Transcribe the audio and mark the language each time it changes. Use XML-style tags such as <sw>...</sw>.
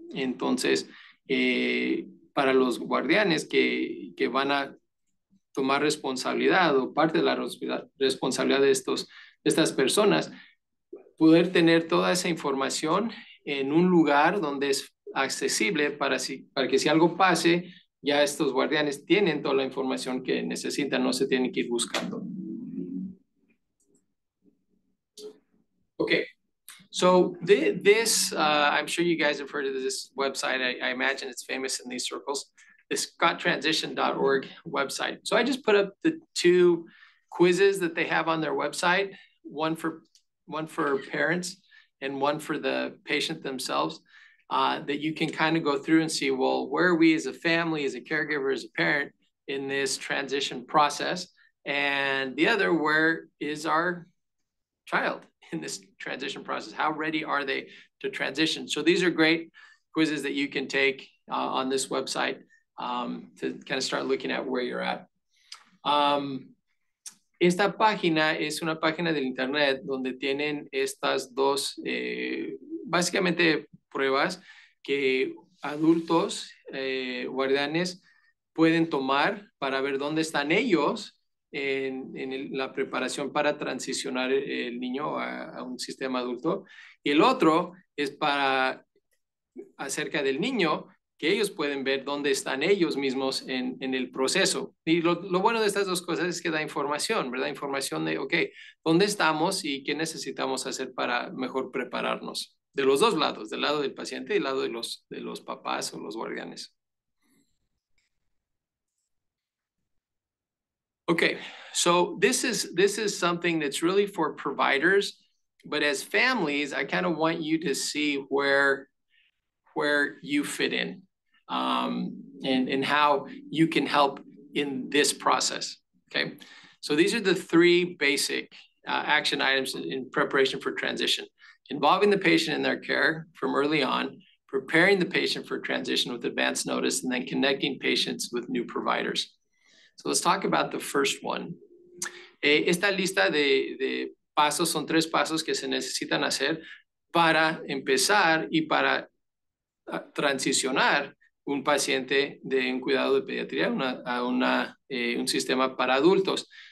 <es>Entonces, para los guardianes que van a tomar responsabilidad o parte de la responsabilidad de estas personas, poder tener toda esa información en un lugar donde es accesible para que si algo pase, ya estos guardianes tienen toda la información que necesitan, no se tienen que ir buscando.</es> <en>Okay, so this, I'm sure you guys have heard of this website. I imagine it's famous in these circles. The ScottTransition.org website. So I just put up the two quizzes that they have on their website, one for parents and one for the patient themselves, that you can kind of go through and see, well, where are we as a family, as a caregiver, as a parent in this transition process? And the other, where is our child in this transition process? How ready are they to transition? So these are great quizzes that you can take on this website to kind of start looking at where you're at.</en> <es>Esta página es una página del internet donde tienen estas dos, básicamente pruebas que adultos, guardianes, pueden tomar para ver dónde están ellos en la preparación para transicionar el niño a un sistema adulto. Y el otro es para acerca del niño, que ellos pueden ver dónde están ellos mismos en el proceso. Y lo bueno de estas dos cosas es que da información, ¿verdad? Información de, ok, ¿dónde estamos y qué necesitamos hacer para mejor prepararnos? De los dos lados, del lado del paciente y del lado de los papás o los guardianes.</es> <en>Ok, so this is something that's really for providers, but as families, I kind of want you to see where you fit in. And how you can help in this process, okay? So these are the three basic action items in preparation for transition. Involving the patient in their care from early on, preparing the patient for transition with advance notice, and then connecting patients with new providers. So let's talk about the first one.</en> <es>Esta lista de pasos son tres pasos que se necesitan hacer para empezar y para transicionar un paciente de un cuidado de pediatría un sistema para adultos.</es>